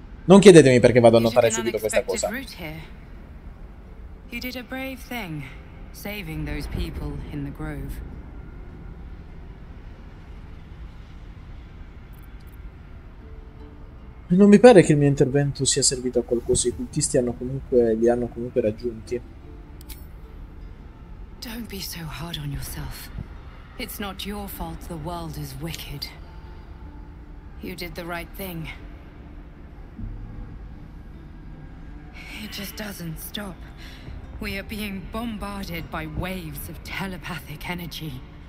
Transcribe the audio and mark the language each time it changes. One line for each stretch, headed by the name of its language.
Italian: Non chiedetemi perché vado a notare subito questa cosa.
English: You did a brave thing, saving those people in the grove.
Italian: Non mi pare che il mio intervento sia servito a qualcosa. I cultisti li hanno comunque raggiunti.
English: Don't be so hard on yourself. It's not your fault the world is wicked. You did the right thing. It just doesn't stop. We are being bombarded by waves of telepathic energy.